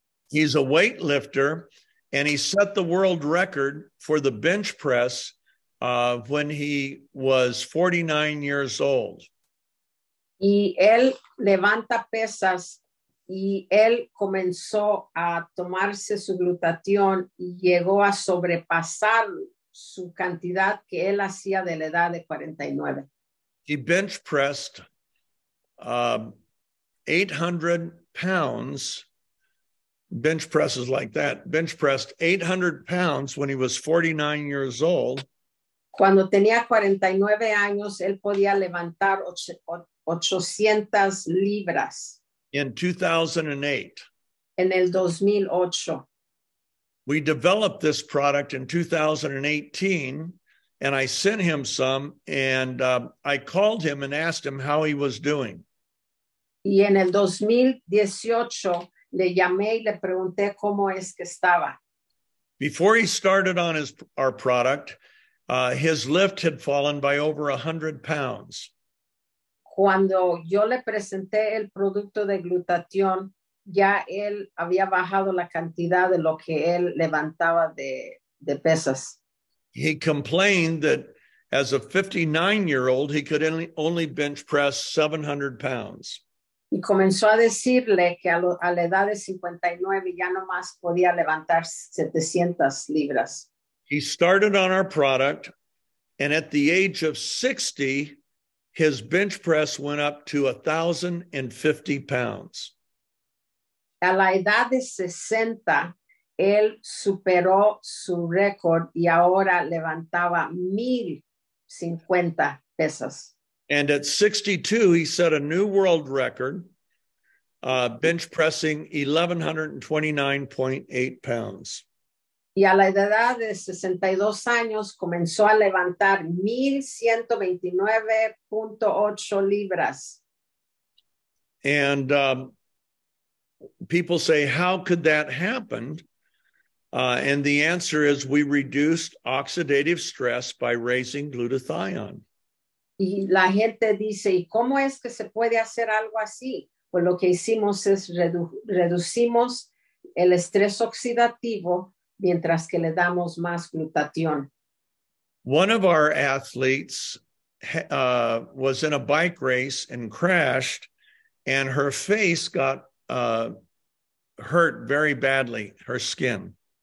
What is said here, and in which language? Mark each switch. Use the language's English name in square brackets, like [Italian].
[English] He's a weightlifter, and he set the world record for the bench press when he was 49 years old. [Spanish] Y él levanta pesas y él comenzó a tomarse su glutatión y llegó a sobrepasar su cantidad que él hacía de la edad de 49. [English] He bench pressed 800 pounds. Bench presses like that. Bench pressed 800 pounds when he was 49 years old. [Spanish] Cuando tenía 49 años, él podía levantar 800 libras. [English] In 2008. [Spanish] En el 2008. [English] We developed this product in 2018, and I sent him some, and I called him and asked him how he was doing. [Spanish] Y en el 2018, le llamé y le pregunté cómo es que estaba. [English] Before he started on our product, his lift had fallen by over 100 pounds. [Spanish] Cuando yo le presenté el producto de glutatión, ya él había bajado la cantidad de lo que él levantaba de pesas. [English] He complained that as a 59-year-old, he could only bench press 700 pounds. [Spanish] Y comenzó a decirle que a la edad de 59 ya no más podía levantar 700 libras. [English] He started on our product, and at the age of 60, his bench press went up to 1,050 pounds. [Spanish] A la edad de 60, él superó su récord y ahora levantaba 1,050 pesas. [English] And at 62, he set a new world record, bench pressing 1,129.8 pounds. [Spanish] Y a la edad de 62 años comenzó a levantar 1,129.8 libras. [English] And people say, how could that happen? And the answer is we reduced oxidative stress by raising glutathione. [Spanish] Y la gente dice, ¿y cómo es que se puede hacer algo así? Pues lo que hicimos es reducimos el estrés oxidativo mientras que le damos más glutatión. [English] One of our athletes was in a bike race and crashed, and her face got hurt very badly, her skin.